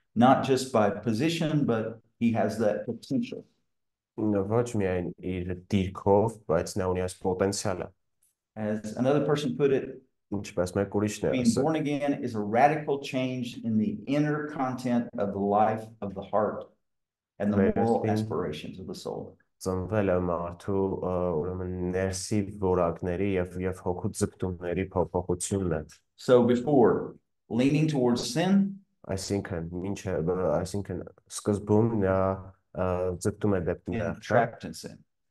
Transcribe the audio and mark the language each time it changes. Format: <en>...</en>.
<en>not just by position but he has that potential</en> <hy>ոչ միայն իր դիրքով բայց նա ունի այս պոտենցիալը</hy> <en>as another person put it</en> <hy>ինչպես մեկ ուրիշն է ասում</hy> <en>being born again is a radical change in the inner content of the life of the heart and the moral aspirations of the soul.</en> <hy>Ծնվել է մարդու ուրեմն ներսի որակների եւ հոգու ձգտումների փոփոխությունն է.</hy> <en>So before leaning towards sin, I think</en> <hy>սկզբում նա ձգտում է դեպի մեղքին</hy>